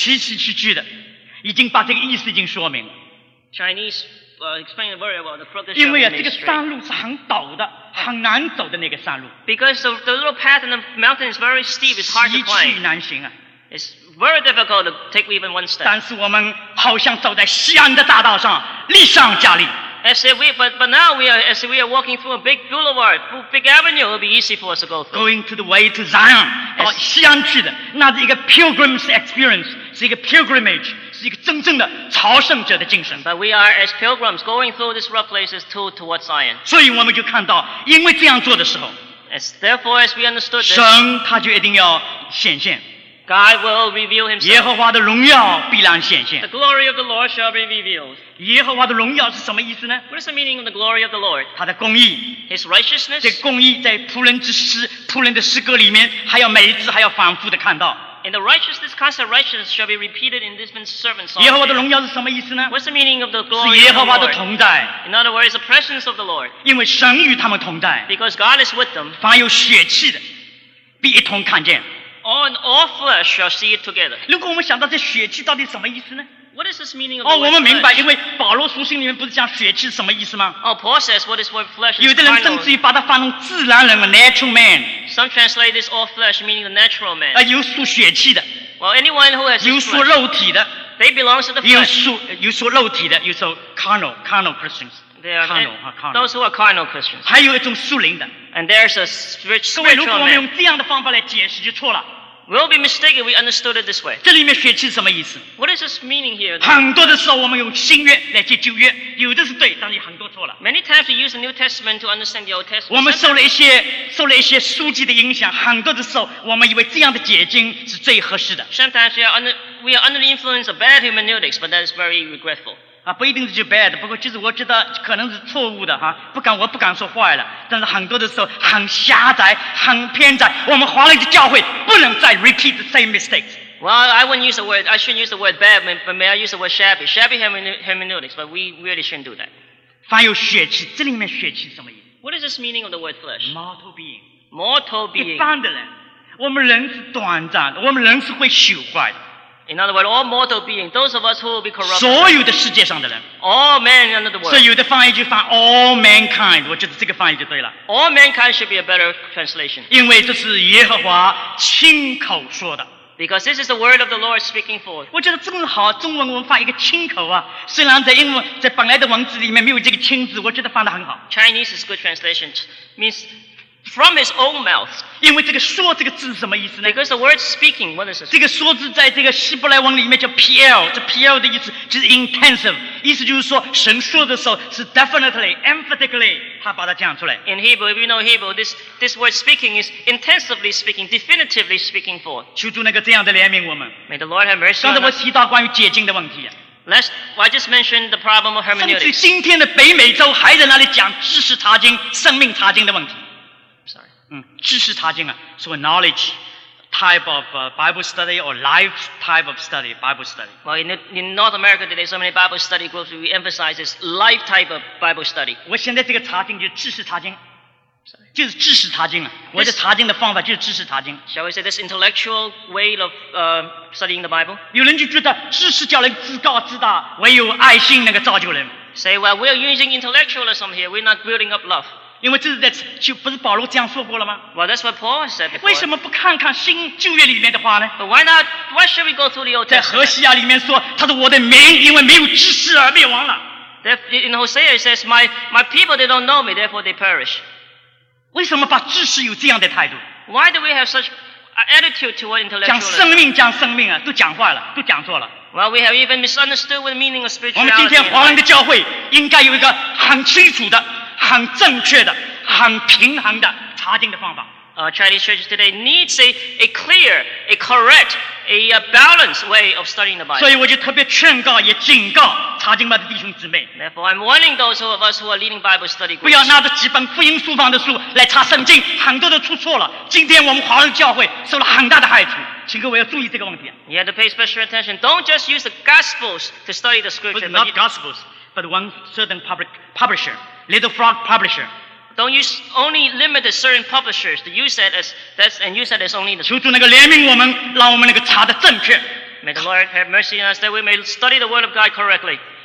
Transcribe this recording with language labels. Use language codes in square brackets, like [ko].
[zh] 崎崎岖岖的，已经把这个意思已经说明了。 [en] Chinese. Explain it very well. The crooked. [zh] 因为啊，这个山路是很陡的，很难走的那个山路。 [en] Because the little path in the mountain is very steep. It's hard to climb. [zh] 崎岖难行啊。 [en] It's very difficult to take even one step. [zh] 但是我们好像走在西安的大道上，立上加立。 [en] But now we are walking through a big boulevard, big avenue. It will be easy for us to go through. Going to the way to Zion, [zh] 到西安去的，那是一个 [en] pilgrim's experience, [zh] 是一个 pilgrimage, 是一个真正的朝圣者的精神。 [en] But we are as pilgrims going through these rough places towards Zion. [zh] 所以我们就看到，因为这样做的时候， [en] therefore, as we understood this, [zh] 神他就一定要显现。 [en] God will reveal himself. [zh] 耶和华的荣耀必然显现。 [en] The glory of the Lord shall be revealed. [zh] 耶和华的荣耀是什么意思呢？ [en] What is the meaning of the glory of the Lord? [zh] 他的公义。 [en] His righteousness. [zh] 这公义在仆人之诗、仆人的诗歌里面，还要每一次还要反复的看到。 [en] And the righteousness, this concept of righteousness shall be repeated in this servant's song. [zh] 耶和华的荣耀是什么意思呢？ [en] What's the meaning of the glory of the Lord? [zh] 是耶和华的同在。 [en] In other words, the presence of the Lord. [zh] 因为神与他们同在。 [en] Because God is with them. [zh] 凡有血气的，必一同看见。 [en] All flesh shall see it together. [zh] 如果我们想到这血气到底什么意思呢？ [en] What is this meaning of the word flesh? [zh] 我们明白，因为保罗书信里面不是讲血气是什么意思吗？ [en] Oh, Paul says what is word flesh? [zh] 有的人甚至于把它翻成自然人 [en] natural man. Some translate this all flesh meaning the natural man. [zh] 有属血气的。 [en] Well, anyone who has flesh. [zh] 有属肉体的。 [en] They belong to the flesh. [zh] 有属肉体的，有属 [en] carnal Christians. They are carnal. Those who are carnal Christians. [zh] 还有一种属灵的。 [en] And there's a spiritual man. [zh] 各位，如果我们用这样的方法来解释，就错了。 [en] We'll be mistaken if we understood it this way. [zh] 这里面血气是什么意思？ [en] What is this meaning here? [zh] 很多的时候我们用新约来接旧约，有的是对，但是很多错了。 [en] Many times we use the New Testament to understand the Old Testament. [zh] 我们受了一些书籍的影响，很多的时候我们以为这样的解经是最合适的。 [en] Sometimes we are under the influence of bad hermeneutics, but that is very regretful. [zh] 啊，不一定是 bad， 不过其实我觉得可能是错误的哈，我不敢说坏了，但是很多的时候很狭窄，很偏窄。我们华人的教会不能再 [en] repeat the same mistakes。 Well, I shouldn't use the word bad, but may I use the word shabby? Shabby hermeneutics, but we really shouldn't do that. [zh] 凡有血气，这里面血气什么意思？ [en] What is this meaning of the word flesh? Mortal being. Mortal being. [zh] 一般的人，我们人是短暂的，我们人是会朽坏的。 [en] In other words, all mortal beings, those of us who will be corrupted. [zh] 所有的世界上的人。 [en] All men under the world. [zh] 所以有的翻译就翻 [en] all mankind, [zh] 我觉得这个翻译就对了。 [en] All mankind should be a better translation. [zh] 因为这是耶和华亲口说的。 [en] Because this is the word of the Lord speaking forth. [zh] 我觉得正好中文我们翻一个亲口啊，虽然在英文在本来的文字里面没有这个亲字，我觉得翻得很好。 [en] Chinese is good translation. Means from his own mouth. [zh] 因为这个说这个字是什么意思呢？ [en] Because the word speaking, what is it? [zh] 这个说字在这个希伯来文里面叫 PL， 这 PL 的意思就是 intensive， 意思就是说神说的时候是 [en] definitely, emphatically， [zh] 他把它讲出来。 [en] In Hebrew, if you know Hebrew, this word speaking is intensively speaking, definitively speaking for. [zh] 求主那个这样的怜悯我们。 [en] May the Lord have mercy. [zh] 刚才我提到关于解经的问题。 [en] Last, I just mentioned the problem of hermeneutics. [zh] 甚至今天的北美洲还在那里讲知识查经、生命查经的问题。知识查经啊，是个 [en] knowledge type of Bible study or life type of study, Bible study. Well, in North America today, so many Bible study groups, we emphasize this life type of Bible study. [zh] 我现在这个查经就是知识查经，就是知识查经啊。我的查经的方法就是知识查经。 [en] Shall we say this intellectual way of studying the Bible? [zh] 有人就觉得知识叫人自高自大，唯有爱心能够造就人。 [en] Say, well, we are using intellectualism here. We're not building up love. [zh] 因为这是在就不是保罗这样说过了吗？ [en] Well, that's what Paul said before. [zh] 为什么不看看新旧约里面的话呢？ [en] But why not? Why should we go through the Old Testament? [zh] 在何西亚里面说，他说我的民因为没有知识而灭亡了。 [en] In Hosea it says, my people they don't know me, therefore they perish. [zh] 为什么把知识有这样的态度？ [en] Why do we have such attitude toward intellectualism? [zh] 讲生命啊，都讲坏了，都讲错了。 [en] Well, we have even misunderstood what the meaning of spirituality. [zh] 我们今天华人的教会应该有一个很清楚的。很正确的，很平衡的查经的方法。 [en] Chinese churches today needs a clear, a correct, a balanced way of studying the Bible. [zh] 所以我就特别劝告，也警告查经班的弟兄姊妹。 [en] Therefore, I'm warning those of us who are leading Bible study groups. [zh] 不要拿着几本复印书房的书来查圣经，很多都出错了。今天我们华人教会受了很大的害处。请各位要注意这个问题。 [en] You have to pay special attention. Don't just use the Gospels to study the scripture. But not Gospels, but one certain publisher. Little Frog Publisher. Don't use only limited certain publishers. You said that's only the. [zh] 求主那个怜悯我们，让我们那个查的正确。 [en] May the Lord have mercy on us that we may study the Word of God correctly.